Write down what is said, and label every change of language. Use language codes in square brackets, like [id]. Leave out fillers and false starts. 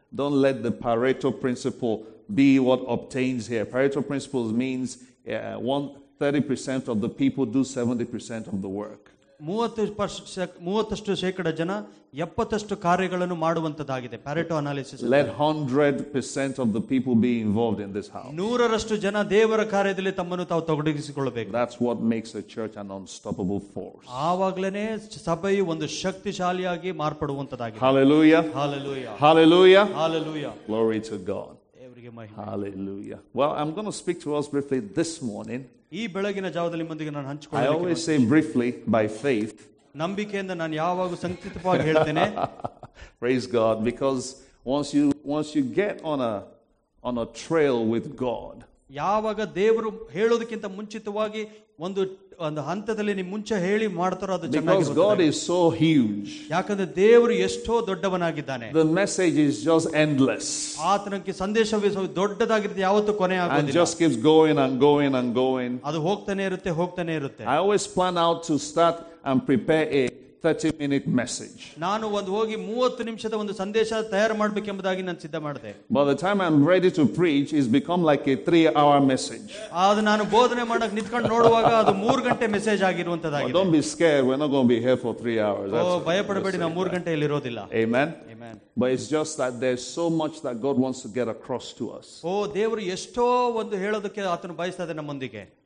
[en] Don't let the Pareto principle be what obtains here. Pareto principle means 30% of the people do 70% of the work. [kn] 30% ಶೇಕಡ ಜನ 70% ಕಾರ್ಯಗಳನ್ನು ಮಾಡುವಂತದಾಗಿದೆ. ಪ್ಯಾರೆಟೋ analysis. [en] Let 100% of the people be involved in this house. [kn] 100% ಜನ ದೇವರ ಕಾರ್ಯದಲ್ಲಿ ತಮ್ಮನ್ನು ತಾವು ತೊಡಗಿಸಿಕೊಳ್ಳಬೇಕು. [en] That's what makes a church an unstoppable force. [kn] ಆವಾಗಲೇ ಸಭೆಯು ಒಂದು ಶಕ್ತಿಶಾಲಿಯಾಗಿ ಮಾರ್ಪಡುವಂತದಾಗಿದೆ. [en] Hallelujah. Hallelujah. Hallelujah. Hallelujah. Glory to God. [kn] ದೇವರಿಗೆ ಮಹಿಮೆ. [en] Hallelujah. Well, I'm going to speak to us briefly this morning. [kn] ಈ ಬೆಳಗಿನ ಜಾವದಲ್ಲಿ ಮುಂದಿಗೆ ನಾನು ಹಂಚಿಕೊಳ್ಳಿ. [en] I always say briefly by faith. [kn] ನಂಬಿಕೆಯಿಂದ ನಾನು ಯಾವಾಗಲೂ ಸಂಕ್ಷಿಪ್ತವಾಗಿ ಹೇಳ್ತೇನೆ. [en] Praise God, because once you get on a trail with God. [kn] ಯಾವಾಗ ದೇವರು ಹೇಳೋದಕ್ಕಿಂತ ಮುಂಚಿತವಾಗಿ ಒಂದು ಒಂದು ಹಂತದಲ್ಲಿ ನಿಮ್ಮ ಮುಂಚೆ ಹೇಳಿ ಮಾಡ್ತಾರೋ ಅದು ಚೆನ್ನಾಗಿರುತ್ತೆ. [en] Because God is so huge. [kn] ಯಾಕಂದ್ರೆ ದೇವರು ಎಷ್ಟೋ ದೊಡ್ಡವನಾಗಿದ್ದಾನೆ. [en] The message is just endless. [kn] ಆತನಿಗೆ ಸಂದೇಶವೇ ದೊಡ್ಡದಾಗಿರುತ್ತೆ, ಯಾವತ್ತೂ ಕೊನೆ ಆಗೋದಿಲ್ಲ. [en] And just keeps going and going and going. [kn] ಅದು ಹೋಗ್ತಾನೆ ಇರುತ್ತೆ, ಹೋಗ್ತಾನೆ ಇರುತ್ತೆ. [en] I always plan out to start and prepare a 30-minute message. [kn] ನಾನು ಒಂದು ಹೋಗಿ 30 ನಿಮಿಷದ ಒಂದು ಸಂದೇಶ ತಯಾರು ಮಾಡಬೇಕೆಂಬುದಾಗಿ ನಾನು ಸಿದ್ಧ ಮಾಡಿದೆ. [en] By the time I'm ready to preach, it's become like a 3-hour message. [kn] ಆದ ನಾನು ಬೋಧನೆ ಮಾಡಕ್ಕೆ ನಿಂತ್ಕೊಂಡು ನೋಡುವಾಗ ಅದು 3 ಗಂಟೆ message ಆಗಿರುವಂತದಾಗಿದೆ. [en] Don't be scared, we're not going to be here for 3 hours. [kn] ಓ ಭಯಪಡಬೇಡಿ, ನಾವು 3 ಗಂಟೆಯಲ್ಲಿ ಇರೋದಿಲ್ಲ. [en] Amen. Amen. But it's just that there's so much that God wants to get across to us. [kn] ಓ ದೇವರು ಎಷ್ಟೋ ಒಂದು ಹೇಳೋದಕ್ಕೆ ಆತನು ಬಯಸ್ತಾ ಇದ್ದಾನೆ ನಮ್ಮೊಂದಿಗೆ.